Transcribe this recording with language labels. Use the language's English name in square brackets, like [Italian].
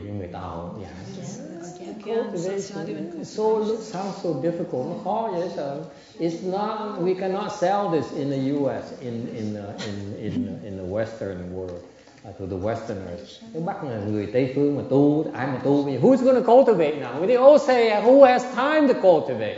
[English] You may tell, yeah. Sounds so difficult. It's not. We cannot sell this in the U.S. in the Western world. To the Westerners, [Vietnamese] Bắc là người Tây phương mà tu, ai mà tu? [English] Who's going to cultivate now? They all say, who has time to cultivate?